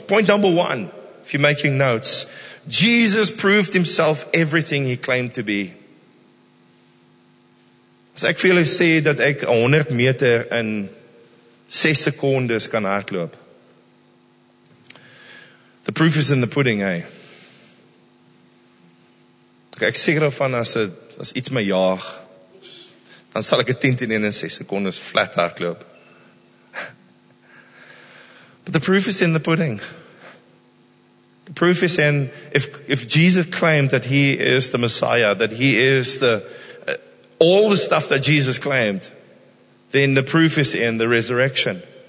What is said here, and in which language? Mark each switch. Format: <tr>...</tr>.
<en>Point number one, if you're making notes, Jesus proved himself everything he claimed to be.</en> <af>As ek vir julle sê dat ek 100 meter in 6 sekondes kan hardloop.</af> <en>The proof is in the pudding, hey.</en> <af>Ek seker van as iets my jaag, dan sal ek 'n 10 teen 1 in 6 sekondes flat hardloop.</af> <en>But the proof is in the pudding. The proof is in if Jesus claimed that he is the Messiah, that he is the all the stuff that Jesus claimed, then the proof is in the resurrection.</en>